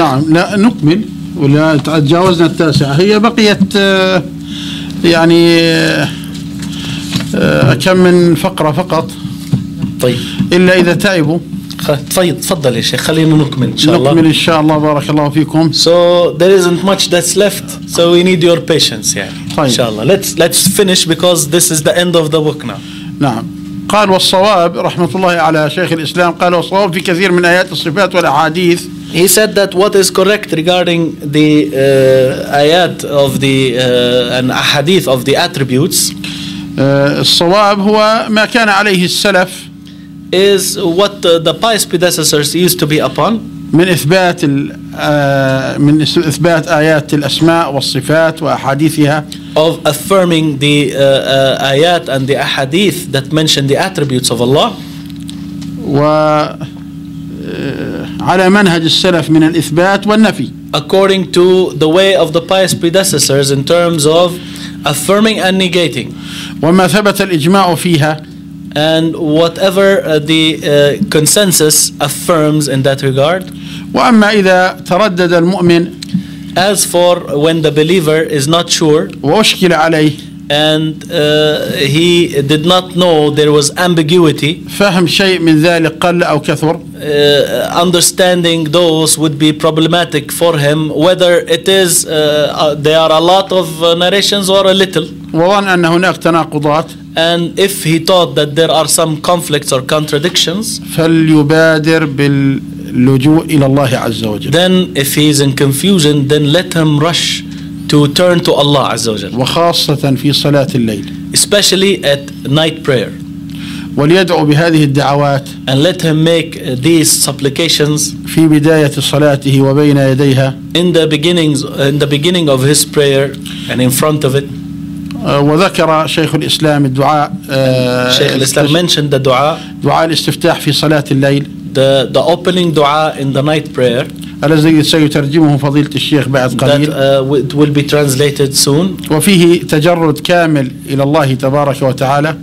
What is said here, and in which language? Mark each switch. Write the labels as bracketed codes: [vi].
[ar] نعم، لا نكمل ولا تجاوزنا التاسعة. هي بقيت يعني كم من فقرة فقط. طيب، إلا إذا تعبوا. طيب تفضل يا شيخ، خلينا نكمل إن شاء الله. نكمل إن شاء الله، بارك الله فيكم. [en] So there isn't much that's left, so we need your patience يعني. [ar] طيب. إن شاء الله. [en] Let's finish because this is the end of the book now. [ar] نعم. قال والصواب، رحمة الله على شيخ الإسلام، قال والصواب في كثير من آيات الصفات والأحاديث. [en] He said that what is correct regarding the آيات of the and أحاديث of the attributes. [ar] الصواب هو ما كان عليه السلف. [en] Is what the pious predecessors used to be upon. [ar] من إثبات من إثبات آيات الأسماء والصفات وأحاديثها. [en] Of affirming the آيات and the أحاديث that mention the attributes of Allah. [ar] وعلى منهج السلف من الإثبات والنفي. [en] According to the way of the pious predecessors in terms of affirming and negating. [ar] وما ثبت الإجماع فيها. [en] And whatever the consensus affirms in that regard. [ar] وأما إذا تردد المؤمن. [en] As for when the believer is not sure. [ar] وأشكل عليه. [en] And he did not know there was ambiguity. [ar] فهم شيء من ذلك قل أو كثر. [en] Understanding those would be problematic for him, whether it is there are a lot of narrations or a little. [ar] وظن أن هناك تناقضات. [en] And if he thought that there are some conflicts or contradictions, [ar] فليبادر باللجوء إلى الله عز وجل. [en] Then if he is in confusion, then let him rush to turn to Allah [ar] عز وجل. وخاصة في صلاة الليل. [en] Especially at night prayer. [ar] وليدعو بهذه الدعوات. [en] And let him make these supplications [ar] في بداية صلاته وبين يديها. [en] In the beginning of his prayer and in front of it. [ar] وذكر شيخ الإسلام الدعاء. [en] شيخ الإسلام mentioned the dua. [ar] دعاء الاستفتاح في صلاة الليل. [en] The opening dua in the night prayer. [ar] الذي سيترجمه فضيلة الشيخ بعد قليل. [en] That will be translated soon. [ar] وفيه تجرد كامل إلى الله تبارك وتعالى.